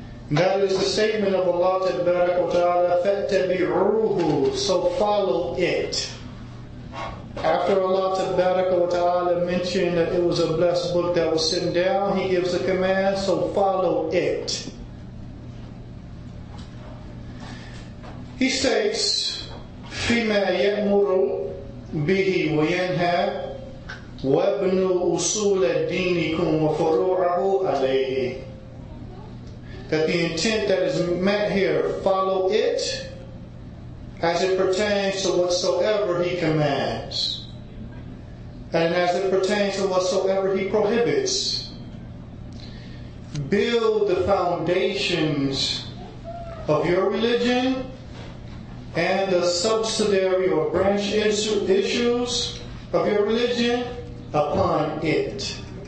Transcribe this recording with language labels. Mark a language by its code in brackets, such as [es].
[en] That is the statement of Allah tabaraka wa ta'ala, فَاتَّبِعُوهُ, so follow it. After Allah tabaraka wa ta'ala mentioned that it was a blessed book that was sent down, He gives a command, so follow it. He states, [ar] فِيمَا يَأْمُرُ بِهِ وَيَنْهَى وَابْنُ أُصُولَ دِينِكُمْ وَفُرُوعَهُ عَلَيْهِ. [en] That the intent that is met here, follow it, as it pertains to whatsoever he commands, and as it pertains to whatsoever he prohibits. Build the foundations of your religion and the subsidiary or branch issues of your religion upon it.